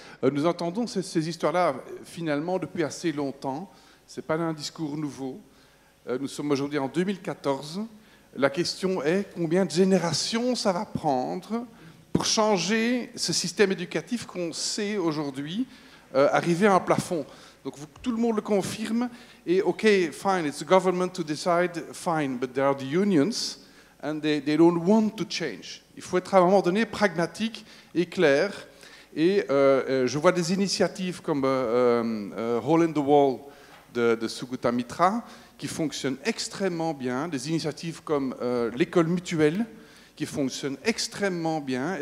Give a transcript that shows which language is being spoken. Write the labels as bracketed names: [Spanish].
[French] Nous entendons ces histoires-là finalement depuis assez longtemps. Ce n'est pas un discours nouveau. Nous sommes aujourd'hui en 2014. La question est combien de générations ça va prendre pour changer ce système éducatif qu'on sait aujourd'hui arriver à un plafond. Donc tout le monde le confirme, et [English] ok, fine, it's the government to decide, fine, but there are the unions, and they don't want to change. [French] Il faut être à un moment donné pragmatique et clair, et je vois des initiatives comme Hole in the Wall de Sugata Mitra, qui fonctionnent extrêmement bien, des initiatives comme l'école mutuelle, qui fonctionne extrêmement bien.